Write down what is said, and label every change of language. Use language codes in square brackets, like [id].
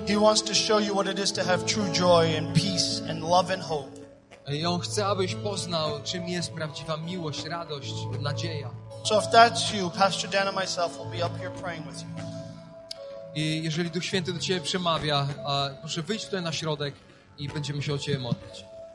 [en] He wants to show you what it is to have true joy and peace and love and hope. [pl] I On chce, abyś poznał, czym jest prawdziwa miłość, radość, nadzieja. [en] So if that's you, Pastor Dan and myself will be up here praying with you. [pl] I jeżeli Duch Święty do ciebie przemawia, proszę wyjść tutaj na środek i będziemy się o ciebie modlić.